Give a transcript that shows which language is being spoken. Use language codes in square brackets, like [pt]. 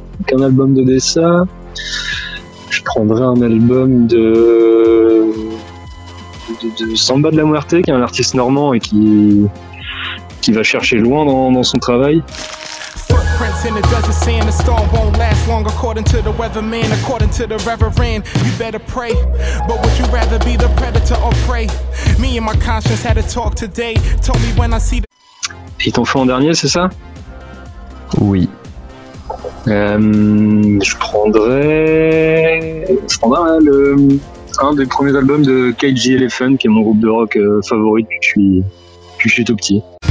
[fr] Donc un album de Dessa, je prendrais un album de Samba de la Muerte, qui est un artiste normand et qui va chercher loin dans son travail. [en] In the desert, saying the storm won't last long. According to the weatherman, according to the reverend, you better pray. But would you rather be the predator or prey? Me and my conscience had a talk today. Told me when I see the. [fr] Ils t'ont fait en dernier, c'est ça? Oui. Je prendrais le un des premiers albums de KG Elephant, qui est mon groupe de rock favori depuis que je suis tout petit.